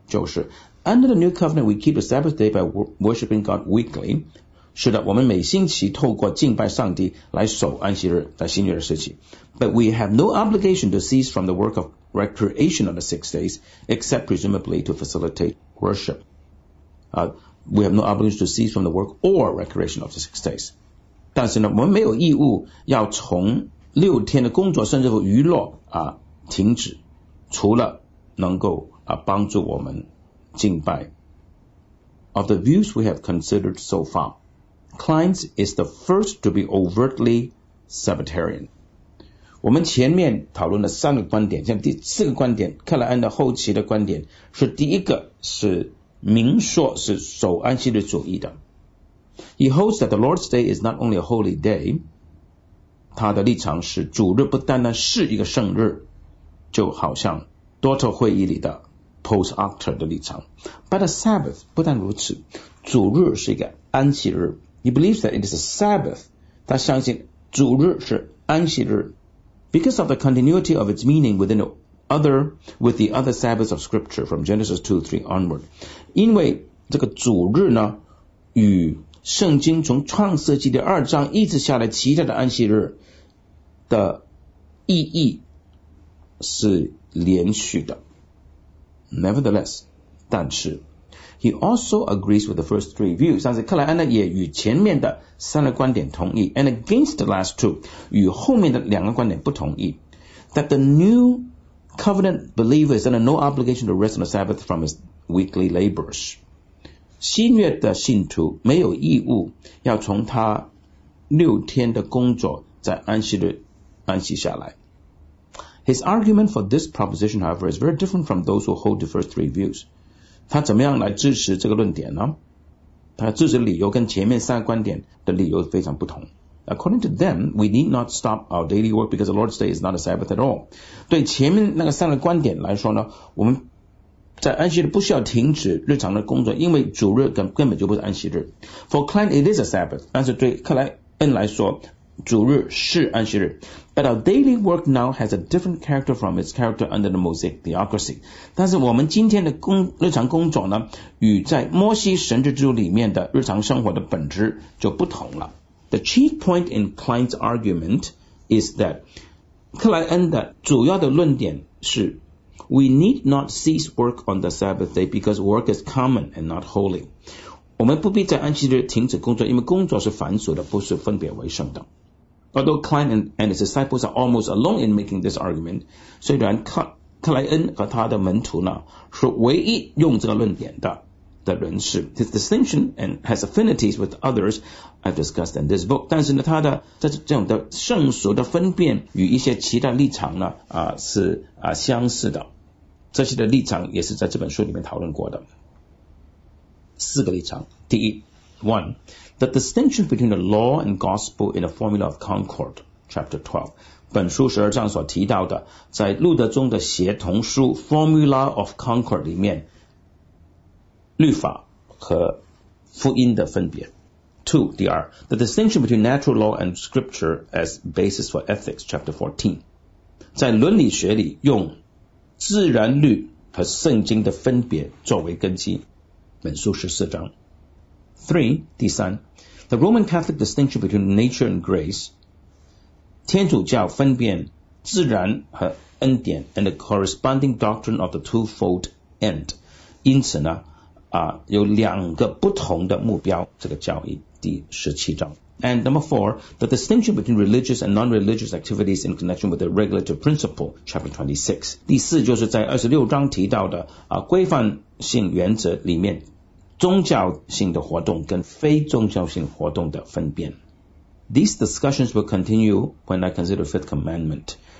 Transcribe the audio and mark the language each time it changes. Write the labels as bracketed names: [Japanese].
[Chinese] 就是 [English] Under the new covenant, we keep the Sabbath day by worshiping God weekly. [Chinese] 是的，我们每星期透过敬拜上帝来守安息日，在新约的时期。 [English] But we have no obligation to cease from the work of recreation on the six days, except presumably to facilitate worship. We have no obligation to cease from the work or recreation of the six days. [Chinese] 但是呢，我们没有义务要从六天的工作甚至乎娱乐停止，除了能够帮助我们敬拜。 [English] Of the views we have considered so far, Klein's is the first to be overtly Sabbatarian. [Chinese] 我们前面讨论了三个观点，像第四个观点，克莱恩的后期的观点是第一个是明说是守安息日主义的。 [English] He holds that the Lord's Day is not only a holy day, [Chinese] 他的立场是主日不单单是一个圣日，就好像多特会议里的 Post-Octer 的立场。 [English] But the Sabbath, [Chinese] 不但如此，主日是一个安息日。 [English] He believes that it is a Sabbath, [Chinese] 他相信主日是安息日。 [English] Because of the continuity of its meaning within the other, with the other Sabbaths of Scripture from Genesis 2-3 onward. [Chinese] 因为这个主日呢与圣经从创世纪第二章一直下来其他的安息日的意义是连续的。 [English] Nevertheless, [Chinese] 但是 [English] he also agrees with the first three views. [Chinese] 但是克莱恩呢也与前面的三个观点同意 [English] and against the last two, [Chinese] 与后面的两个观点不同意 [English] that the new covenant believer is under no obligation to rest on the Sabbath from his weekly labors. [Chinese] 新约的信徒没有义务要从他六天的工作在安息日安息下来。 [English] His argument for this proposition, however, is very different from those who hold the first three views. [Chinese] 他怎么样来支持这个论点呢？他支持理由跟前面三个观点的理由非常不同。 [English] According to them, we need not stop our daily work because the Lord's Day is not a Sabbath at all. [Chinese] 对前面那个三个观点来说呢，我们在安息日不需要停止日常的工作，因为主日根本就不是安息日。 [English] For Klein, it is a Sabbath. [Chinese] 但是对克莱恩来说，主日是安息日。 [English] But our daily work now has a different character from its character under the Mosaic theocracy. [Chinese] 但是我们今天的日常工作呢，与在摩西神职制度里面的日常生活的本质就不同了。 [English] The chief point in Klein's argument is that [Chinese] 克莱恩的主要的论点是 [English] We need not cease work on the Sabbath day because work is common and not holy. [Chinese] 我们不必在安息日停止工作，因为工作是繁琐的，不是分别为圣的。 [English] Although Klein and his disciples are almost alone in making this argument, [Chinese] 虽然克莱恩和他的门徒呢是唯一用这个论点的人士， [English] his distinction and has affinities with others I've discussed in this book. [Chinese] 但是呢，他的这种的圣俗的分辨与一些其他立场呢是相似的。这些的立场也是在这本书里面讨论过的。四个立场。第一 [English] ,one, the distinction between the law and gospel in the formula of Concord, chapter 12. [Chinese] 本书十二章所提到的在路德宗的协同书 formula of Concord 里面律法和福音的分别。 [English] Two, [Chinese] 第二 [English] the distinction between natural law and scripture as basis for ethics, chapter 14. [Chinese] 在伦理学里用自然律和圣经的分别作为根基，本书十四章。 [English] Three, [Chinese] 第三 [English] the Roman Catholic distinction between nature and grace, [Chinese] 天主教分辨自然和恩典 [English] and the corresponding doctrine of the twofold end. [Chinese] 因此呢有两个不同的目标，这个教义第十七章。 [English] And number four, the distinction between religious and non-religious activities in connection with the regulative principle, chapter 26. [Chinese] 第四就是在二十六章提到的规范性原则里面，宗教性的活动跟非宗教性活动的分辨。 [English] These discussions will continue when I consider fifth commandment.